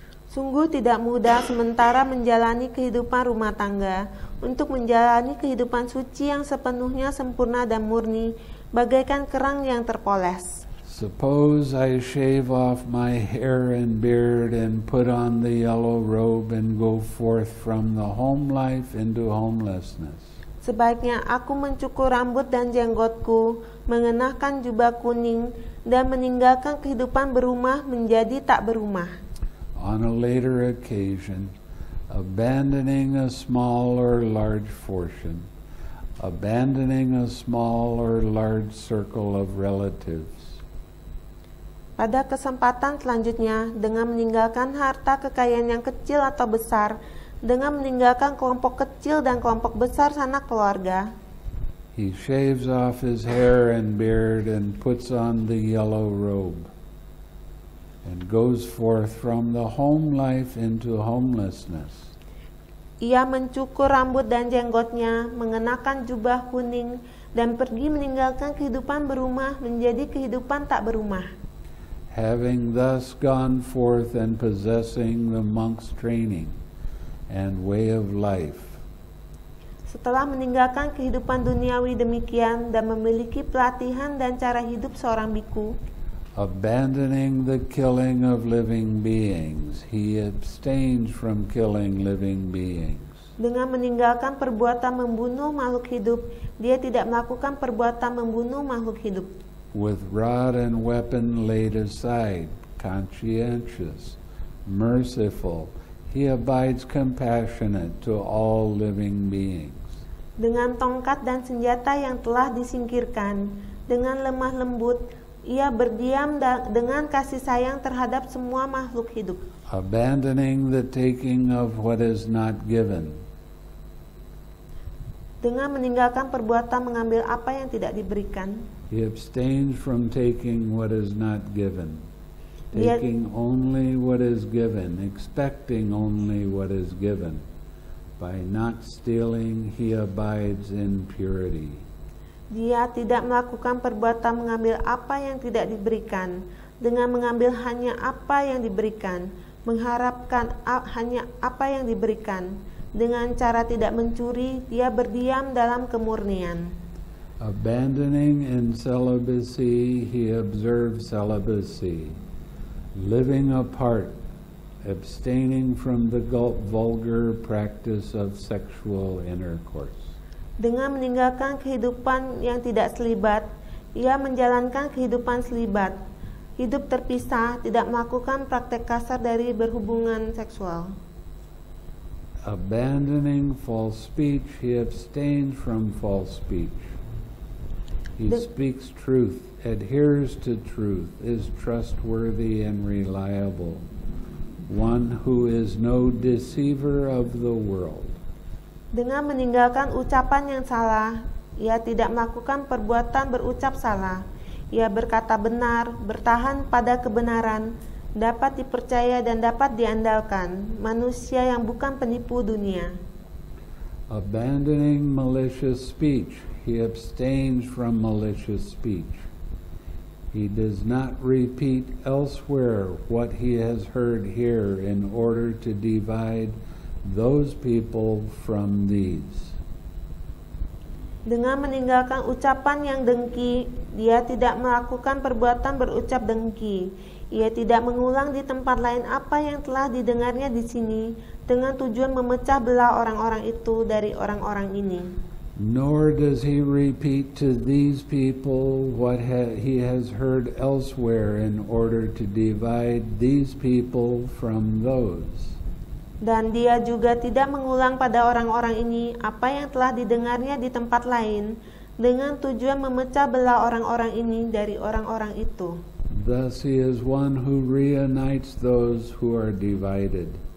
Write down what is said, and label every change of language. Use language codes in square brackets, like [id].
[id] Sungguh tidak mudah sementara menjalani kehidupan rumah tangga untuk menjalani kehidupan suci yang sepenuhnya sempurna dan murni bagaikan kerang yang terpoles. [en] Suppose I shave off my hair and beard and put on the yellow robe and go forth from the home life into homelessness. [id] Sebaiknya aku mencukur rambut dan jenggotku, mengenakan jubah kuning dan meninggalkan kehidupan berumah menjadi tak berumah. [en] On a later occasion, abandoning a small or large fortune, abandoning a small or large circle of relatives. [id] Pada kesempatan selanjutnya, dengan meninggalkan harta kekayaan yang kecil atau besar, dengan meninggalkan kelompok kecil dan kelompok besar sanak keluarga. [en] He shaves off his hair and beard and puts on the yellow robe. And goes forth from the home life into homelessness. [id] Ia mencukur rambut dan jenggotnya, mengenakan jubah kuning, dan pergi meninggalkan kehidupan berumah menjadi kehidupan tak berumah. [en] Having thus gone forth and possessing the monk's training and way of life. [id] Setelah meninggalkan kehidupan duniawi demikian dan memiliki pelatihan dan cara hidup seorang bhikkhu. [en] Abandoning the killing of living beings, he abstains from killing living beings. [id] Dengan meninggalkan perbuatan membunuh makhluk hidup, dia tidak melakukan perbuatan membunuh makhluk hidup. [en] With rod and weapon laid aside, conscientious, merciful, he abides compassionate to all living beings. [id] Dengan tongkat dan senjata yang telah disingkirkan, dengan lemah lembut, ia berdiam dengan kasih sayang terhadap semua makhluk hidup. [en] Abandoning the taking of what is not given. [id] Dengan meninggalkan perbuatan mengambil apa yang tidak diberikan. [en] He abstains from taking what is not given. Taking only what is given, expecting only what is given. By not stealing, he abides in purity. [id] Dia tidak melakukan perbuatan mengambil apa yang tidak diberikan. Dengan mengambil hanya apa yang diberikan, mengharapkan hanya apa yang diberikan. Dengan cara tidak mencuri, dia berdiam dalam kemurnian. [en] Abandoning in celibacy, he observes celibacy. Living apart, abstaining from the vulgar practice of sexual intercourse. [id] Dengan meninggalkan kehidupan yang tidak selibat, ia menjalankan kehidupan selibat. Hidup terpisah, tidak melakukan praktek kasar dari berhubungan seksual. [en] Abandoning false speech, he abstains from false speech. He speaks truth, adheres to truth, is trustworthy and reliable, one who is no deceiver of the world. [id] Dengan meninggalkan ucapan yang salah, ia tidak melakukan perbuatan berucap salah. Ia berkata benar, bertahan pada kebenaran, dapat dipercaya dan dapat diandalkan, manusia yang bukan penipu dunia. [en] Abandoning malicious speech, he abstains from malicious speech. He does not repeat elsewhere what he has heard here in order to divide those people from these. [id] Dengan meninggalkan ucapan yang dengki, dia tidak melakukan perbuatan berucap dengki. Ia tidak mengulang di tempat lain apa yang telah didengarnya di sini dengan tujuan memecah belah orang-orang itu dari orang-orang ini. [en] Nor does he repeat to these people what he has heard elsewhere in order to divide these people from those. [id] Dan dia juga tidak mengulang pada orang-orang ini apa yang telah didengarnya di tempat lain dengan tujuan memecah belah orang-orang ini dari orang-orang itu. [en] Thus he is one who reunites those who are divided.